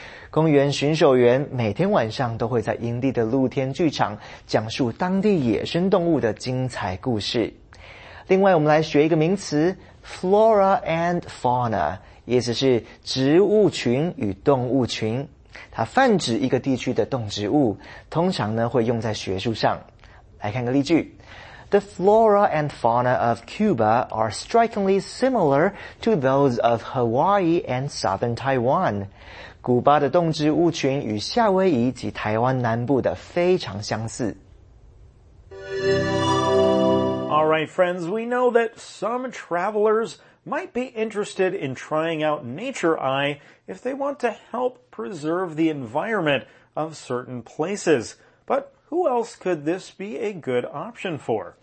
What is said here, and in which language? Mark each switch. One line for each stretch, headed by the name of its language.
Chinese: 公园巡守员每天晚上都会在营地的露天剧场讲述当地野生动物的精彩故事。另外我们来学一个名词 Flora and Fauna, 意思是植物群与动物群。它泛指一个地区的动植物，通常呢会用在学术上。来看个例句
English: The flora and fauna of Cuba are strikingly similar to those of Hawaii and southern Taiwan.
Chinese: 古巴的动植物群与夏威夷及台湾南部的非常相似。
English: All right, friends, we know that some travelers might be interested in trying out Nature Eye if they want to help preserve the environment of certain places. But who else could this be a good option for?